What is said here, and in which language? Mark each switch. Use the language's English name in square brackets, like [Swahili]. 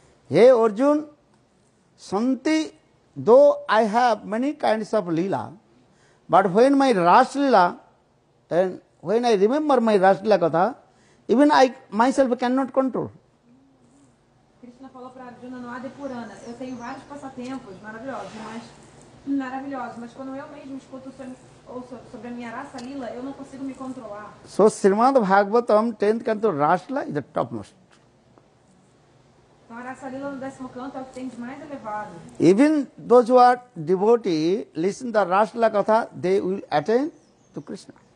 [English] Hey Arjuna, Santi, though I have many kinds of Lila, but when my Rasa Lila, then when I remember my Rasa-lila katha, even I myself cannot control. [Portuguese] Krishna falou para Arjuna no Adipurana, eu tenho vários passatempos maravilhosos, mas quando eu mesmo escuto sobre a minha Rasa-lila, eu não consigo me controlar. [English] So Srimad Bhagavatam, 10th canto, Rasa-lila is the topmost. [Portuguese] Então a Rasa-lila no 10º canto é o que tem de mais elevado. [English] Even those who are devotee, listen the Rasa-lila katha, they will attain to Krishna.